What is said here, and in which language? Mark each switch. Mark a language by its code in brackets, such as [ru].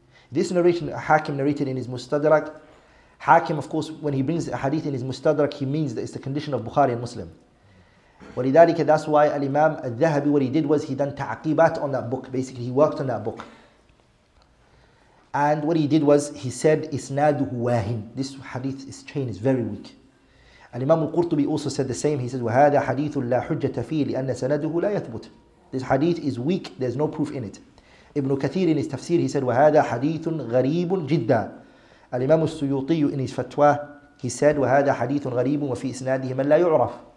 [en] This narration, Hakim narrated in his Mustadrak. Hakim, of course, when he brings a hadith in his Mustadrak, he means that it's the condition of Bukhari and Muslim. [ar] وَلِذَلِكَ [en] That's why Al-Imam Al-Dhahabi, what he did was he done ta'aqibat on that book. Basically, he worked on that book. And what he did was, he said, [ar] إِسْنَادُهُ وَاهِن. [en] This hadith, his chain is very weak. Al-Imam Al-Qurtubi also said the same. He said, [ar] وَهَذَا حَدِيثُ لَا حُجَّةَ فِيهِ لِأَنَّ سَنَدُهُ لَا يَثْبُتُ. [en] This hadith is weak, there's no proof in it. Ibn Kathir in his tafsir, he said, [ar] وَهَذَا حَدِيثٌ غَرِيبٌ جِدًّا. [en] Al-Imam Al-Suyuti in his fatwa, he said, [ar] وَهَذَا حَدِيثٌ غَرِيبٌ وَفِي إِسْنَادِهِ مَنْ لَا يُعْرَفُ.